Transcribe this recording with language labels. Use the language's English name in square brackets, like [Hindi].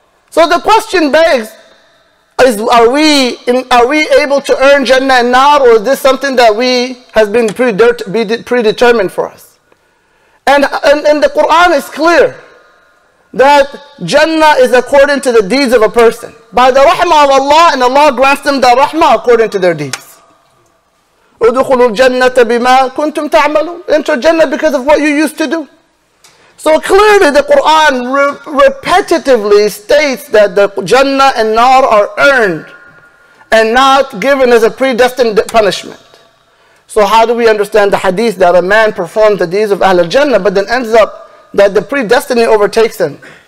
[English] So the question begs, are we able to earn Jannah and Nar, or is this something that has been predetermined for us? And the Quran is clear that Jannah is according to the deeds of a person. By the rahmah of Allah, and Allah grants them the rahmah according to their deeds. [Arabic] ادخلوا الجنة بما كنتم تعملون. [English] Enter Jannah because of what you used to do. So clearly the Quran repetitively states that the Jannah and Nar are earned and not given as a predestined punishment. So how do we understand the hadith that a man performs the deeds of Ahl al-Jannah but then ends up that the predestiny overtakes him?